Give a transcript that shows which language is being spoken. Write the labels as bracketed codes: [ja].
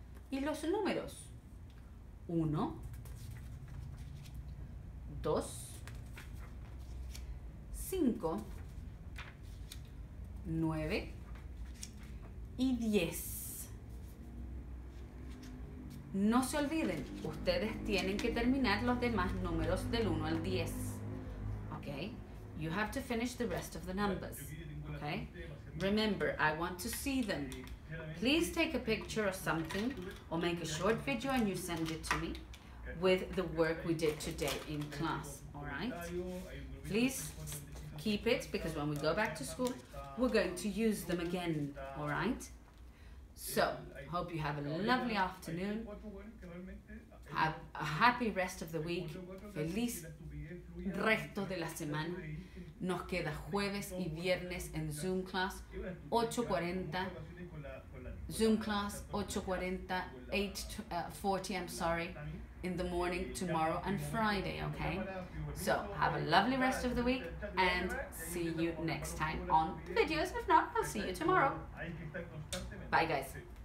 [es] Y los números: 1, 2, 5, 9 y 10. No se olviden, ustedes tienen que terminar los demás números del 1 al 10. [en] Okay? You have to finish the rest of the numbers. Okay? Remember, I want to see them. Please take a picture or something, or make a short video and you send it to me with the work we did today in class. All right? Please keep it, because when we go back to school, we're going to use them again. All right? So, hope you have a lovely afternoon. Have a happy rest of the week. [es] Feliz resto de la semana. Nos queda jueves y viernes en Zoom class, 8:40. [en] Zoom class, 8:40, 8:40, I'm sorry, in the morning, tomorrow and Friday, okay? So, have a lovely rest of the week and see you next time on videos. If not, I'll see you tomorrow. Bye, guys.